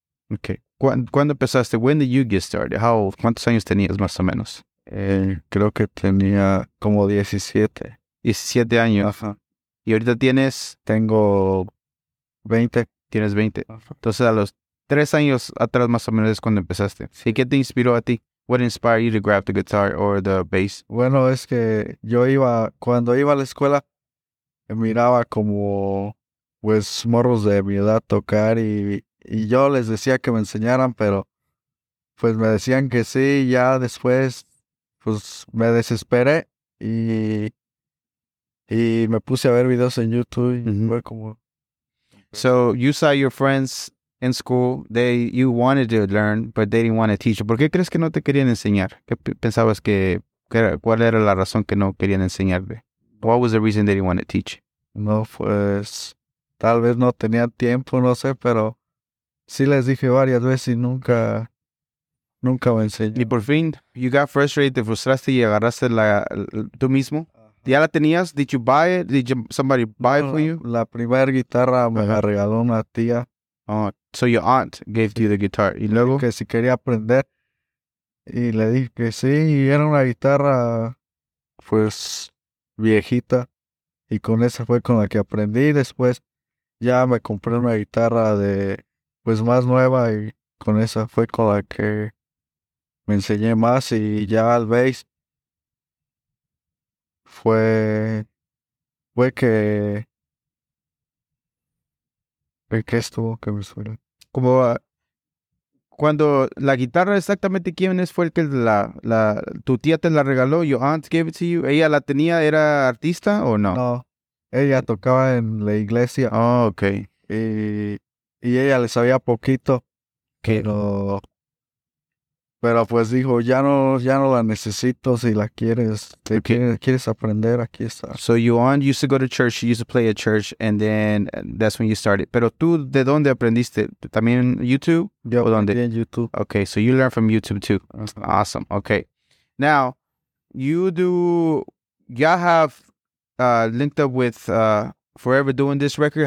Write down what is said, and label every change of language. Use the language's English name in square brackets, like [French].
[English] Okay. [Spanish] ¿Cuándo empezaste? [English] When did you get started? How old? [Spanish] ¿Cuántos años tenías más o menos? Creo que tenía como 17. 17 años. Ajá. ¿Y ahorita tienes? Tengo 20. Tienes 20. Ajá. Entonces a los 3 años atrás más o menos es cuando empezaste. ¿Y qué te inspiró a ti? [English] What inspired you to grab the guitar or the bass? [Spanish] Bueno, es que yo iba, cuando iba a la escuela, miraba como, pues, morros de mi edad tocar y yo les decía que me enseñaran, pero, pues, me decían que sí, y ya después, pues, me desesperé y me puse a ver videos en YouTube y mm-hmm. fue como... [English] So, you saw your friends... In school, you wanted to learn, but they didn't want to teach. [Spanish] ¿Por qué crees que no te querían enseñar? ¿Qué pensabas que era, cuál era la razón que no querían enseñarte? [English] What was the reason they didn't want to teach? [Spanish] No, pues, tal vez no tenía tiempo, no sé, pero sí les dije varias veces y nunca me enseñé. Y por fin, [English] you got frustrated, [Spanish] te frustraste y agarraste tú mismo. ¿Ya la tenías? [English] Did you buy it? Did somebody buy it for you? [Spanish] La primera guitarra me la regaló una tía. [English] Oh, so your aunt gave you the guitar. [Spanish] ¿Y luego? Que si quería aprender. Y le dije que sí. Y era una guitarra, pues, viejita. Y con esa fue con la que aprendí. Y después ya me compré una guitarra de, pues, más nueva. Y con esa fue con la que me enseñé más. Y ya al bass fue que... ¿Qué estuvo que me suena? Como cuando la guitarra exactamente quién es fue el que la tu tía te la regaló, [English] your aunt gave it to you. [Spanish] ¿Ella la tenía? ¿Era artista o no? No, ella tocaba en la iglesia. [English] Oh, okay. [Spanish] Y ella le sabía poquito. ¿Qué? Pero pues dijo, ya no la necesito si la quieres. Si okay. quieres aprender, aquí está. [English] So your aunt used to go to church, she used to play at church, and then that's when you started. [Spanish] Pero tú, ¿de dónde aprendiste? ¿También en YouTube? Yo o dónde? En YouTube. [English] Okay, so you learn from YouTube too. Uh-huh. Awesome, okay. Now, y'all have linked up with Forever doing this record.